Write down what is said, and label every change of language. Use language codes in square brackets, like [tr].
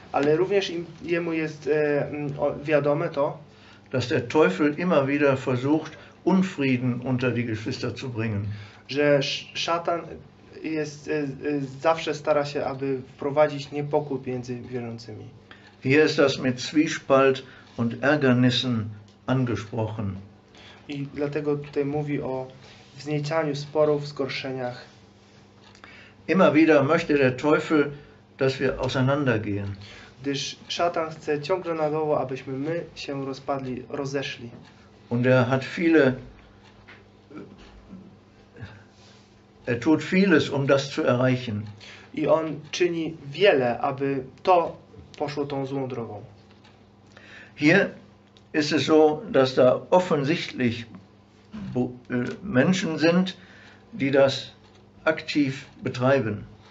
[pl] ale również jemu jest wiadome to, [de] dass der Teufel immer wieder versucht, Unfrieden unter die Geschwister zu bringen. [pl] Że szatan jest, zawsze stara się, aby wprowadzić niepokój między wierzącymi. [de] Hier ist das mit Zwiespalt und Ärgernissen angesprochen. [pl] I dlatego tutaj mówi o wzniecianiu sporów, zgorszeniach. [de] Immer wieder möchte der Teufel, dass wir auseinandergehen. [pl] Gdyż szatan chce ciągle na nowo, abyśmy my się rozpadli, rozeszli. [de] Und er hat viele, er tut vieles, um das zu erreichen. [pl] I on czyni wiele, aby to poszło tą złą drogą. [de] Hier ist es so, dass da offensichtlich Menschen sind, die das aktiv betreiben.